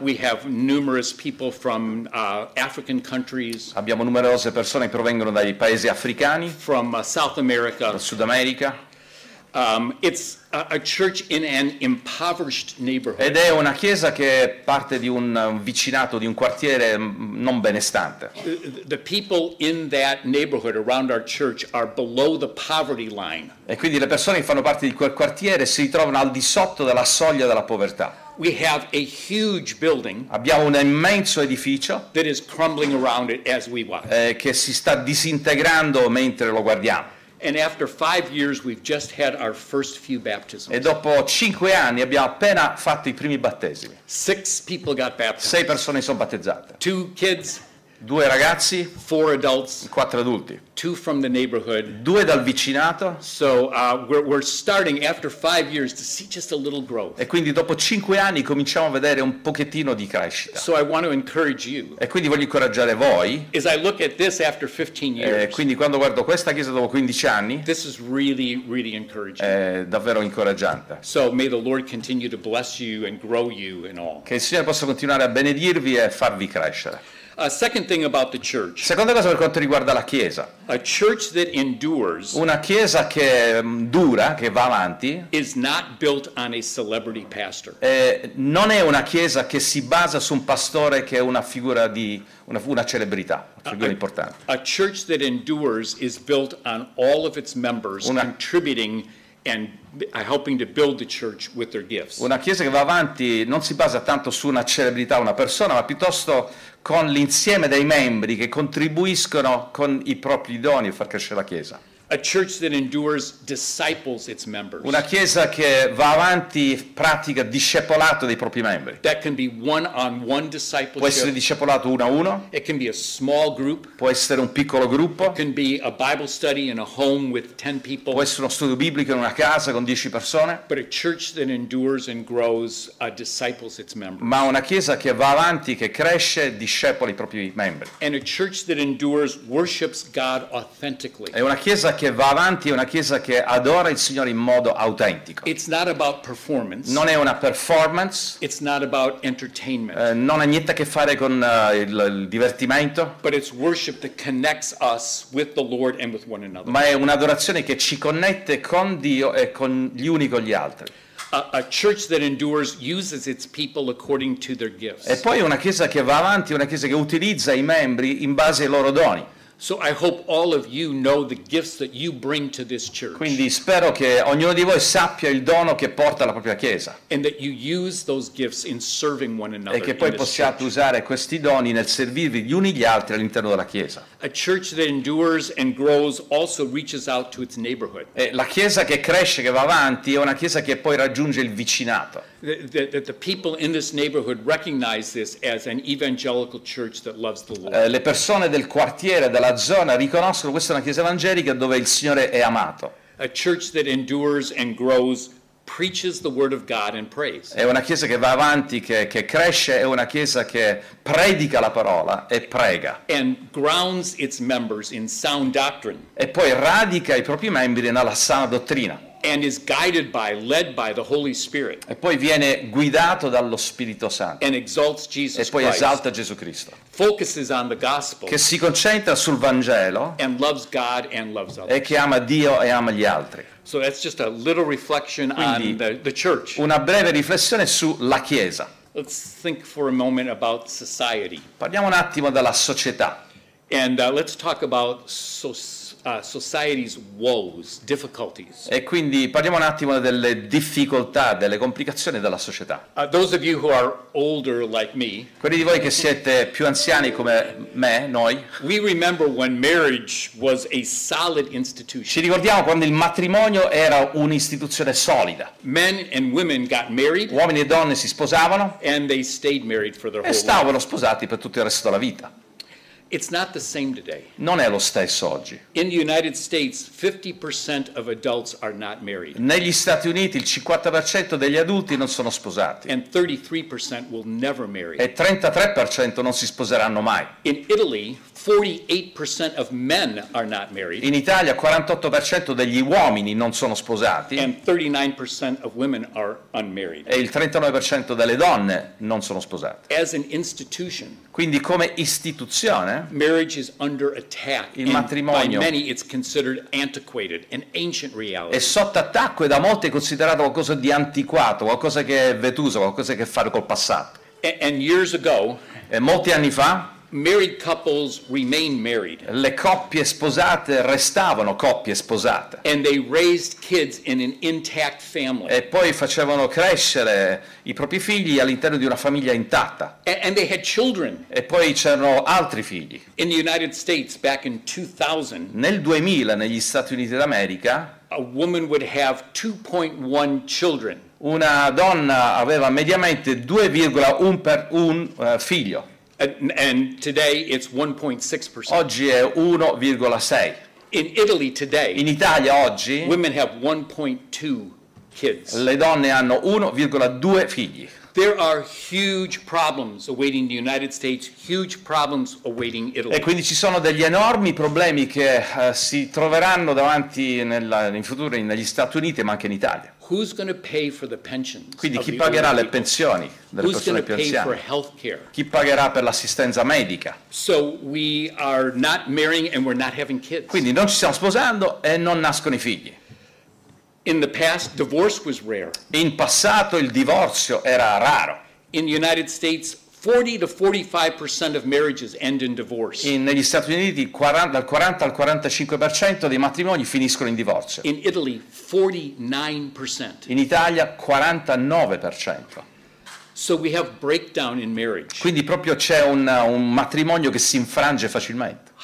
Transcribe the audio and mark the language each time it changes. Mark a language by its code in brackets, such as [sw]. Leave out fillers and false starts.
[en] We have numerous people from African countries. [it] Abbiamo numerose persone che provengono dai paesi africani. [en] From South America. [it] Dal Sud America. [en] It's a church in an impoverished neighborhood. [it] Ed è una chiesa che parte di un vicinato, di un quartiere non benestante. [en] The people in that neighborhood around our church are below the poverty line. [it] E quindi le persone che fanno parte di quel quartiere si ritrovano al di sotto della soglia della povertà. [en] We have a huge building. [it] Abbiamo un immenso edificio [en] that is crumbling around it as we watch. [it] Che si sta disintegrando mentre lo guardiamo. [en] And after 5 years, we've just had our first few baptisms. [it] E dopo 5 anni abbiamo appena fatto i primi battesimi. [en] 6 people got baptized. [it] 6 persone sono battezzate. [en] 2 kids. [it] 2 ragazzi. [en] 4 adults. [it] 4 adulti. [en] 2 from the neighborhood. [it] 2 dal vicinato. [en] So we're starting after 5 years to see just a little growth. [it] E quindi dopo 5 anni cominciamo a vedere un pochettino di crescita. [en] So I want to encourage you. [it] E quindi voglio incoraggiare voi. [en] As I look at this after 15 years. [it] E quindi quando guardo questa chiesa dopo 15 anni. [en] This is really, really encouraging. [it] È davvero incoraggiante. [en] So may the Lord continue to bless you and grow you and all. [it] Che il Signore possa continuare a benedirvi e farvi crescere. [en] A second thing about the church. [it] Seconda cosa per quanto riguarda la chiesa. [en] A church that endures. [it] Una chiesa che dura, che va avanti. [en] Is not built on a celebrity pastor. [it] Non è una chiesa che si basa su un pastore che è una figura di una celebrità, una figura importante. [en] A church that endures is built on all of its members contributing and helping to build the church with their gifts. [it] Una chiesa che va avanti non si basa tanto su una celebrità, una persona, ma piuttosto con l'insieme dei membri che contribuiscono con i propri doni a far crescere la chiesa. [en] A church that endures disciples its members. [it] Una chiesa che va avanti pratica discepolato dei propri membri. [en] That can be one-on-one discipleship. [it] Può essere discepolato uno a uno. [en] It can be a small group. [it] Può essere un piccolo gruppo. [en] It can be a Bible study in a home with 10 people. [it] Può essere uno studio biblico in una casa con 10 persone. [en] But a church that endures and grows disciples its members. [it] Ma una chiesa che va avanti, che cresce, discepola i propri membri. [en] And a church that endures worships God authentically. [it] È una chiesa che va avanti, è una chiesa che adora il Signore in modo autentico. [en] It's not about performance. [it] Non è una performance. [en] It's not about entertainment. [it] Non ha niente a che fare con il divertimento. [en] But it's worship that connects us with the Lord and with one another. [it] Ma è un'adorazione che ci connette con Dio e con gli uni con gli altri. [en] A church that endures uses its people according to their gifts. [it] E poi una chiesa che va avanti, una chiesa che utilizza i membri in base ai loro doni. [en] So I hope all of you know the gifts that you bring to this church. [it] Quindi spero che ognuno di voi sappia il dono che porta alla propria chiesa. [en] And that you use those gifts in serving one another. [it] E che poi possiate usare questi doni nel servirvi gli uni gli altri all'interno della chiesa. [en] A church that endures and grows also reaches out to its neighborhood. [it] E la chiesa che cresce, che va avanti, è una chiesa che poi raggiunge il vicinato. [en] That the people in this neighborhood recognize this as an evangelical church that loves the Lord. [it] Le persone del quartiere, della zona, riconoscono questa è una chiesa evangelica dove il Signore è amato. [en] A church that endures and grows preaches the word of God and prays. [it] È una chiesa che va avanti, che cresce, è una chiesa che predica la parola e prega. [en] And grounds its members in sound doctrine. [it] E poi radica i propri membri nella sana dottrina. [en] and is guided by, led by the Holy Spirit. [it] E poi viene guidato dallo Spirito Santo. [en] And exalts Jesus Christ. [it] E poi esalta Gesù Cristo. [en] Focuses on the gospel. [it] Che si concentra sul Vangelo. [en] And loves God and loves others. [it] E che ama Dio e ama gli altri. [en] So that's just a little reflection. [it] Quindi, [en] on the church. [it] Una breve riflessione sulla Chiesa. [en] Let's think for a moment about society. [it] Parliamo un attimo della società. [en] And let's talk about society's woes, difficulties. [it] E quindi parliamo un attimo delle difficoltà, delle complicazioni della società. [en] Those of you who are older like me, [it] quelli di voi che siete più anziani come me, noi, [en] we remember when marriage was a solid institution. [it] Ci ricordiamo quando il matrimonio era un'istituzione solida. [en] Men and women got married, [it] uomini e donne si sposavano, [en] and they stayed married for their whole life. [it] E stavano sposati per tutto il resto della vita. [en] It's not the same today. [it] Non è lo stesso oggi. [en] In the United States, 50% of adults are not married. [it] Negli Stati Uniti il 50% degli adulti non sono sposati. [en] And 33% will never marry. [it] E 33% non si sposeranno mai. [en] In Italy, 48% of men are not married. [it] In Italia 48% degli uomini non sono sposati. [en] And 39% of women are unmarried. [it] E il 39% delle donne non sono sposate. [en] As an institution. [it] Quindi come istituzione. [en] Marriage is under attack. [it] Il matrimonio. [en] By many it's considered antiquated, an ancient reality. [it] È sotto attacco e da molti è considerato qualcosa di antiquato, qualcosa che è vetuso, qualcosa che ha a fare col passato. [en] And years ago. [it] E molti anni fa. [en] Married couples remain married. [it] Le coppie sposate restavano coppie sposate. [en] And they raised kids in an intact family. [it] E poi facevano crescere i propri figli all'interno di una famiglia intatta. [en] And they had children. [it] E poi c'erano altri figli. [en] In the United States back in 2000. [it] Nel 2000 negli Stati Uniti d'America. [en] A woman would have 2.1 children. [it] Una donna aveva mediamente 2,1 per un figlio. [en] And today it's 1.6%. [it] Oggi è 1,6. [en] In Italy today. [it] In Italia oggi. [en] Women have 1.2 kids. [it] Le donne hanno 1,2 figli. [en] There are huge problems awaiting the United States, huge problems awaiting Italy. [it] E quindi ci sono degli enormi problemi che si troveranno davanti in futuro negli Stati Uniti, ma anche in Italia. [en] Who's going to pay for the pensions? [it] Quindi chi pagherà le pensioni delle persone più anziane? [en] Who's going to pay for healthcare? [it] Chi pagherà per l'assistenza medica? [en] So we are not marrying and we're not having kids. [it] Quindi non ci stiamo sposando e non nascono i figli. [en] In the past, divorce was rare. [it] In passato il divorzio era raro. [en] In the United States, 40-45% of marriages end in divorce. [it] Negli Stati Uniti, dal 40-45% dei matrimoni finiscono in divorzio. [en] In Italy, 49%. [it] In Italia, 49%. [en] So we have breakdown in marriage. [it] Quindi proprio c'è un matrimonio che si infrange facilmente.